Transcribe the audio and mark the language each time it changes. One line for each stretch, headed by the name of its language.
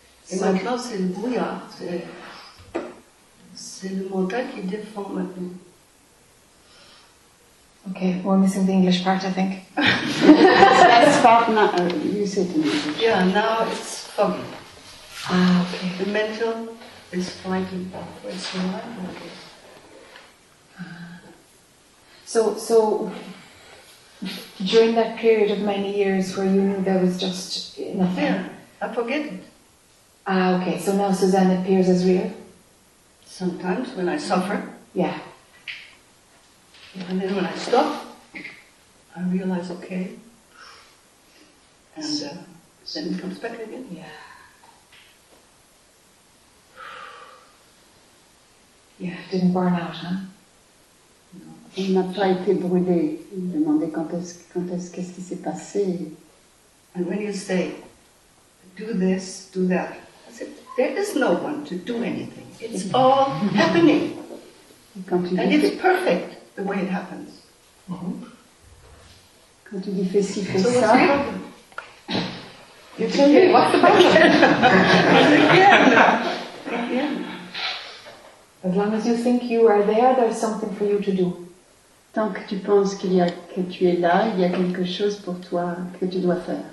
French: Et maintenant, c'est le brouillard, c'est le mental qui défend maintenant.
English: Ok, we're missing the English part, I think. It's fog now, you said in English. Yeah, now it's foggy. Ah, ok. The mental is fighting for its life, okay. So, during that period of many years where you knew there was just nothing? Yeah, I forget it. Ah, okay, so now Suzanne appears as real? Sometimes, when I suffer. Yeah. And then when I stop, I realize, okay. And then it comes back again. Yeah. Yeah, it didn't burn out, huh? No.
French: Il n'a pas été brûlé. Il demandait quand est-ce qu'est-ce qui s'est passé.
English: And when you say, do this, do that, there is no one to do anything. It's all happening. And it's perfect the way it happens. Mm-hmm.
French: Quand tu dis fais ci, fais ça.
English: You tell me, what's the problem? Again.
French: intérieure.
English: As long as you think you are there, there's something for you to do.
French: Tant que tu penses qu'il y a, que tu es là, il y a quelque chose pour toi que tu dois faire.